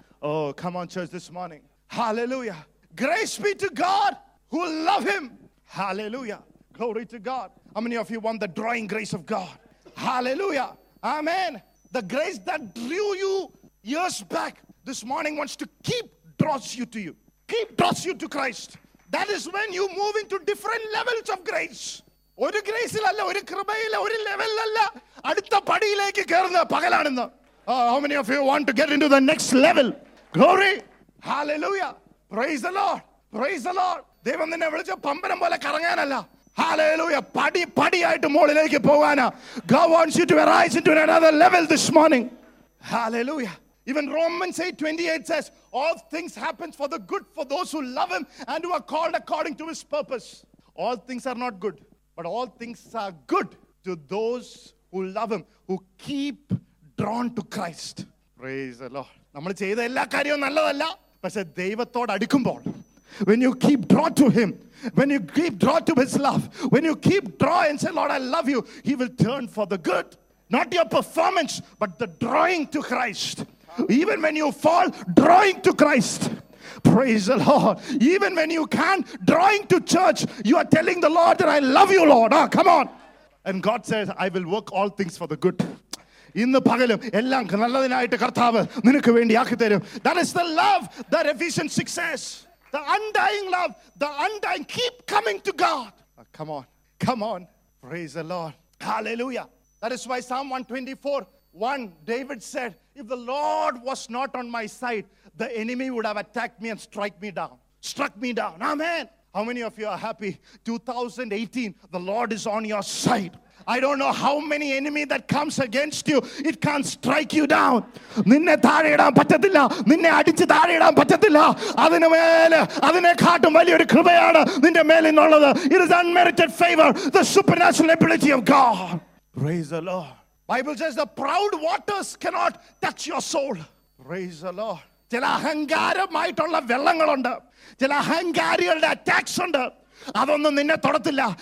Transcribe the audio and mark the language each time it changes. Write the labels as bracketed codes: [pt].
[en] Oh, come on, church, this morning. Hallelujah. Grace be to God who love him. Hallelujah. Glory to God. How many of you want the drawing grace of God? Hallelujah. Amen. The grace that drew you years back this morning wants to keep draws you to you. Keep draws you to Christ. That is when you move into different levels of grace. [ml] ഒരു ഗ്രേസിൽ അല്ല, ഒരു കൃപയിൽ, ഒരു ലെവലിൽ അല്ല, അടുത്ത പടിയിലേക്ക് കേറുന്ന പകലാണെന്ന്. [en] How many of you want to get into the next level? Glory. Hallelujah. Praise the Lord. Praise the Lord. [ml] ദൈവം നിന്നെ വിളിച്ച പമ്പരം പോലെ കറങ്ങാനല്ല. Hallelujah. പടി പടിയായിട്ട് മുകളിലേക്ക് പോകാനാ. [en] God wants you to arise into another level this morning. Hallelujah. Even Romans 8:28 says, all things happen for the good for those who love him and who are called according to his purpose. All things are not good, but all things are good to those who love him, who keep drawn to Christ. Praise the Lord. [ml] നമ്മൾ ചെയ്ത എല്ലാ കാര്യവും നല്ലതല്ല, പക്ഷേ ദൈവത്തോട് അടുക്കുമ്പോൾ, [en] when you keep drawn to him, when you keep drawn to his love, when you keep drawn and say, Lord, I love you, he will turn for the good. Not your performance, but the drawing to Christ. Even when you fall, drawing to Christ. Praise the Lord. Even when you can't, drawing to church, you are telling the Lord that I love you, Lord. Ah, come on. And God says, I will work all things for the good. [ml] ഇന്ന് പകലും എല്ലാം നല്ലതിനായിട്ട് കർത്താവ് നിനക്ക് വേണ്ടി ആക്കി തരും. [en] That is the love that Ephesians 6 says. The undying love, the undying, keep coming to God. Ah, come on, come on. Praise the Lord. Hallelujah. That is why Psalm 124:1, David said, if the Lord was not on my side, the enemy would have attacked me and struck me down. Amen. How many of you are happy? 2018, the Lord is on your side. I don't know how many enemy that comes against you, it can't strike you down. [ml] നിന്നെ താഴെയിടാൻ പറ്റത്തില്ല, നിന്നെ അടിച്ച് താഴെയിടാൻ പറ്റത്തില്ല. അതിനു മേലെ, അതിനെക്കാട്ടും വലിയൊരു കൃപയാണ് നിന്റെ മേൽ നിന്നുള്ളത്. [en] It is unmerited favor, the supernatural ability of God. Praise the Lord. Bible says the proud waters cannot touch your soul. Praise the Lord. [ml] ചില അഹങ്കാരമായിട്ടുള്ള വെള്ളങ്ങളുണ്ട്, ചില അഹങ്കാരികളുടെ അറ്റാക്സ് ഉണ്ട്, അതൊന്നും നിന്നെ തൊടത്തില്ല.